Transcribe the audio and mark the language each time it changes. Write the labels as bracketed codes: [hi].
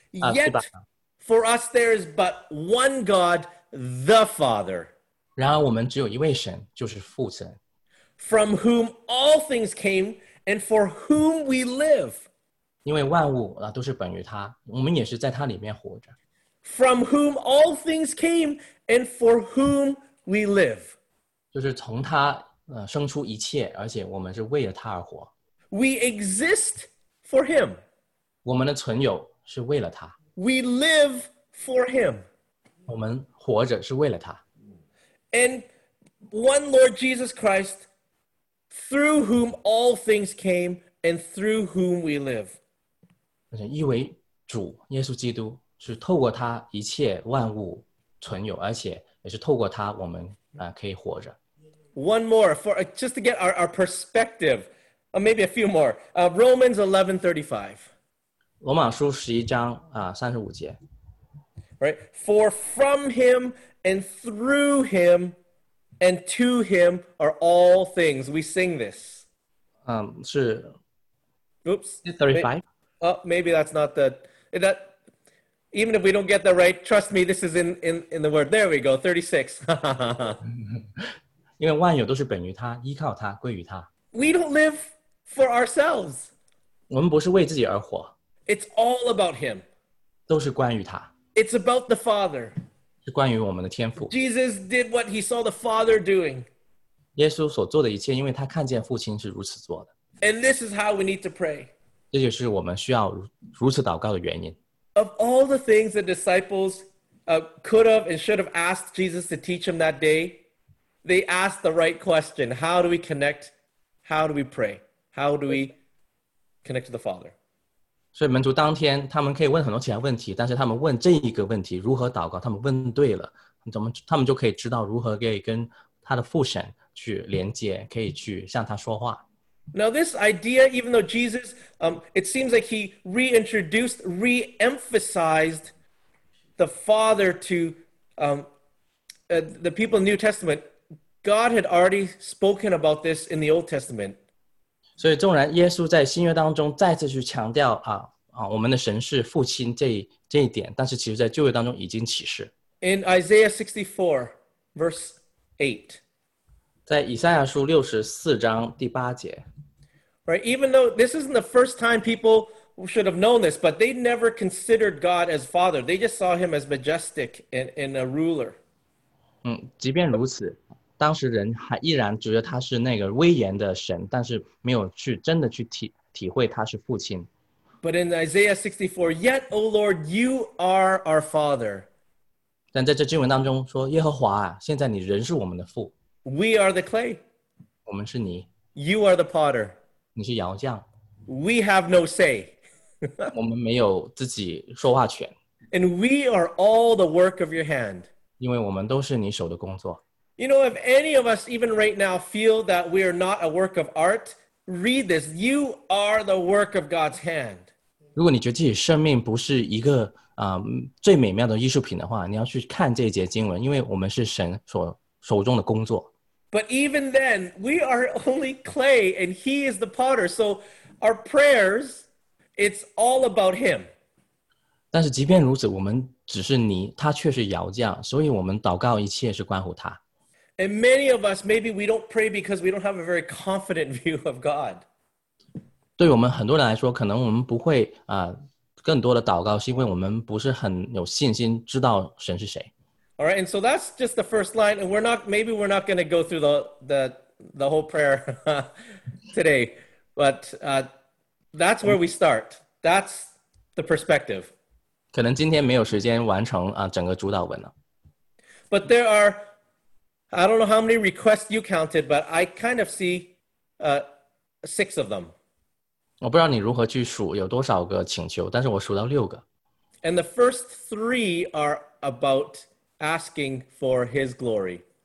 [en] Yet, for us there is but one God, the Father. [zh] 然而我们只有一位神，就是父神。 [en] From whom all things came, and for whom we live. [zh] 因为万物都是本于他，我们也是在他里面活着。 [en] From whom all things came, and for whom we live. [zh] 就是从他生出一切，而且我们是为了他而活。 [en] We exist for him. [zh] 我们的存有是为了他。 [en] We live for him. [zh] 我们活着是为了他。 [en] And one Lord Jesus Christ, through whom all things came and through whom we live. [zh] 一位主耶稣基督是透过他一切万物存有，而且也是透过他我们可以活着。 [en] One more, for just to get our perspective, or maybe a few more. Romans 11:35. [zh] 罗马书十一章三十五节。 [en] Right, for from him and through him and to him are all things. We sing this. [zh] 是。 [en] Oops. 35. Oh, maybe that's not that. Even if we don't get that right, trust me, this is in the word. There we go. 36. [zh] 因为万有都是本于他，依靠他，归于他。 [en] We don't live for ourselves. [zh] 我们不是为自己而活。 [en] It's all about him. [zh] 都是关于他。 [en] It's about the Father. [zh] 是关于我们的天父。 [en] Jesus did what he saw the Father doing. [zh] 耶稣所做的一切，因为他看见父亲是如此做的。 [en] And this is how we need to pray. [zh] 这就是我们需要如此祷告的原因。 [en] Of all the things the disciples could have and should have asked Jesus to teach them that day,they ask the right question. How do we connect? How do we pray? How do we connect to the Father? [zh] 所以门徒当天他们可以问很多其他问题，但是他们问这一个问题，如何祷告，他们问对了，他们就可以知道如何可以跟他的父神去连接，可以去向他说话。 [en] Now this idea, even though Jesus, it seems like he re-emphasized the Father to the people in the New Testament,God had already spoken about this in the Old Testament. [zh] 所以纵然耶稣在新约当中再次去强调我们的神是父亲这一点，但是其实在旧约当中已经启示。 [en] In Isaiah 64, verse 8. [zh] 在以赛亚书64章第八节。 [en] Right, even though this isn't the first time people should have known this, but they never considered God as Father. They just saw him as majestic and a ruler. [zh] 即便如此，当时人还依然觉得他是那个威严的神，但是没有去真的去体会他是父亲。 [en] But in Isaiah 64, yet, O Lord, you are our Father. [zh] 但在这经文当中说，耶和华啊，现在你仍是我们的父。 [en] We are the clay. [zh] 我们是泥。 [en] You are the potter. [zh] 你是窑匠。 [en] We have no say. [zh] 我们没有自己说话权。 [en] And we are all the work of your hand. [zh] 因为我们都是你手的工作。 [en] You know, if any of us even right now feel that we are not a work of art, read this. You are the work of God's hand. [zh] 如果你觉得自己生命不是一个最美妙的艺术品的话，你要去看这一节经文，因为我们是神所手中的工作。 [en] But even then, we are only clay and he is the potter. So our prayers, it's all about him. [zh] 但是即便如此，我们只是泥，他却是窑匠，所以我们祷告一切是关乎他。 [en] And many of us, maybe we don't pray because we don't have a very confident view of God. [zh] 对我们很多人来说，可能我们不会更多的祷告，是因为我们不是很有信心知道神是谁。 [en] All right, and so that's just the first line, and we're not going to go through the whole prayer today, but that's where we start. That's the perspective. [zh] 可能今天没有时间完成整个主导文了。 [en] But there are, I don't know how many requests you counted, but I kind of see six of them. [zh] 我不知道你如何去数有多少个请求，但是我数到六个。 [en] And the first three are about asking for His glory.